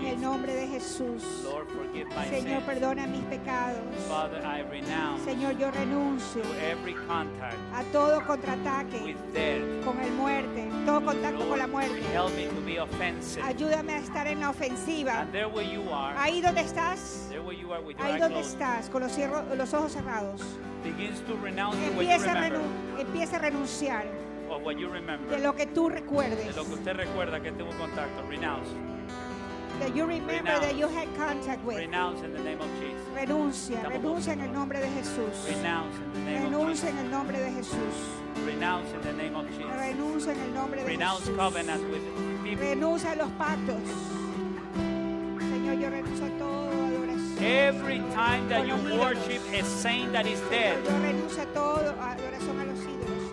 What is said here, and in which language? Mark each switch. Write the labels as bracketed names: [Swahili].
[Spanish] En el nombre de Jesús. [English] Lord, forgive my [Spanish] Señor, [English] sins. [Spanish] Perdona mis pecados. [English] Father, I renounce. [Spanish] Señor, yo renuncio. [English] To every contact. [Spanish] A todo contraataque. [English] With death. [Spanish] Con el muerte. Todo contacto, [English] Lord, [Spanish] con la muerte. [English] Help me to be offensive. [Spanish] Ayúdame a estar en la ofensiva. [English] And there where you are. [Spanish] Ahí donde estás. [English] There where you are with your [Spanish] ahí donde estás. Con los ojos cerrados. [English] Begins to renounce what you remember. [Spanish] Empieza a renunciar. [English] Of what you remember. De lo que tú recuerdes. [Spanish] De lo que usted recuerda que tuvo contacto. [English] Renounce. That you remember renounce. That you had contact with. Renounce in the name of Jesus. [Spanish] Renuncia. Estamos renuncia en el nombre de Jesús. [English] Renounce in the name [Spanish] renuncia [English] of Jesus. [Spanish] En el nombre de Jesús. [English] Renounce in the name of Jesus. [Spanish] Renuncia en el nombre de [English] renounce [Spanish] Jesús. [English] Covenant with people. [Spanish] Renuncia a los pactos. Señor, yo renuncio a todo adoración. [English] Every time that you worship a saint that is dead. [Spanish] Yo renuncio a todo adoración a los ídolos.